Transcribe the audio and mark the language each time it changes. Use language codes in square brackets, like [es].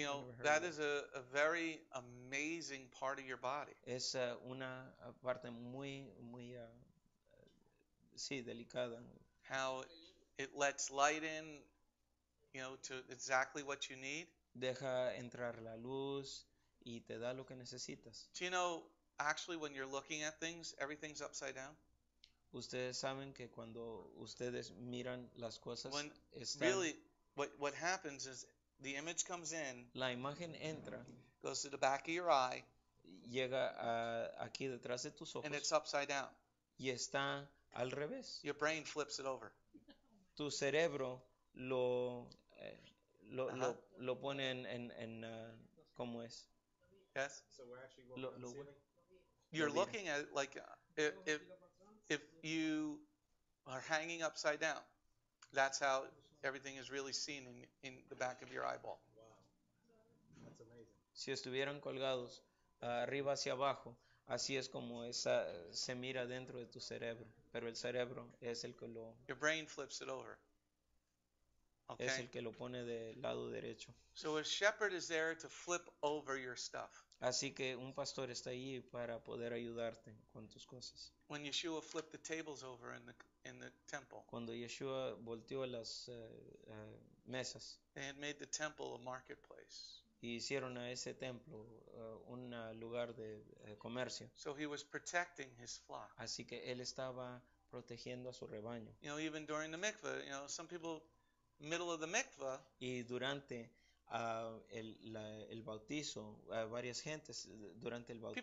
[en] you know, that is a very amazing part of your body. [es] Es una parte muy, muy, sí, delicada. [en] How it lets light in, you know, to exactly what you need. [es] Deja entrar la luz y te da lo que necesitas. [en] Do you know, actually, when you're looking at things, everything's upside down? [es] Ustedes saben que cuando ustedes miran las cosas, [en] when [es] están... [en] Really, what happens is the image comes in. [es] La imagen entra. [en] Goes to the back of your eye. [es] Llega a, aquí detrás de tus ojos. [en] And it's upside down. [es] Y está al revés. [en] Your brain flips it over. [es] Tu cerebro lo... lo pone en ¿cómo es? [en] Yes. So we're actually looking. You're looking at it like if you are hanging upside down, that's how everything is really seen in the back of your eyeball. Wow, that's amazing. [es] Si estuvieran colgados arriba hacia abajo, así es como esa se mira dentro de tu cerebro. Pero el cerebro es el que lo. [en] Your brain flips it over. Okay. [es] Es el que lo pone de lado derecho. [en] So a shepherd is there to flip over your stuff. [es] Así que un pastor está ahí para poder ayudarte con tus cosas. [en] When Yeshua flipped the tables over in the temple. [es] Cuando Yeshua volteó las mesas. [en] They had made the temple a marketplace. [es] Y hicieron a ese templo un lugar de comercio. [en] So he was protecting his flock. [es] Así que él estaba protegiendo a su rebaño. [en] You know, even during the mikvah, you know, some people... Middle of the mikvah. [es] Y durante el bautizo, varias gentes durante el bautizo.